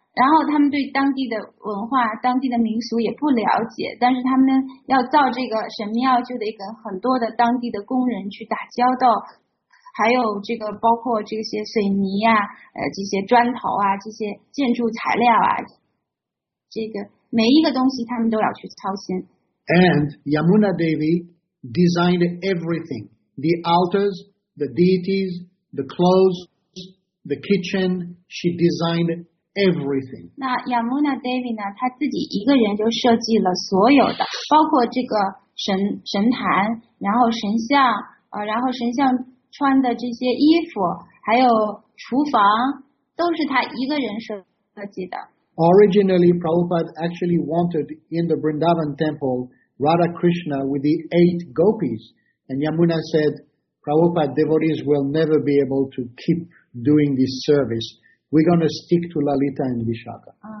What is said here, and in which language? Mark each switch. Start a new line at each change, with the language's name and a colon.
Chinese: 然后他们对当地的文化、当地的民俗也不了解，但是他们要造这个神庙，就得跟很多的当地的工人去打交道。还有这个包括这些水泥啊这些砖头啊这些建筑材料啊这个每一个东西他们都要去操心。
English: And Yamuna Devi designed everything. The altars, the deities, the clothes, the kitchen, she designed everything.
Chinese: 那 Yamuna Devi 呢他自己一个人就设计了所有的包括这个神坛然后神像然后神像穿的这些衣服还有厨房都是他一个人设计的。
English: Originally, Prabhupada actually wanted in the Vrindavan temple Radha Krishna with the eight gopis. And Yamuna said, Prabhupada, devotees will never be able to keep doing this service. We're going to stick to Lalita and Vishaka.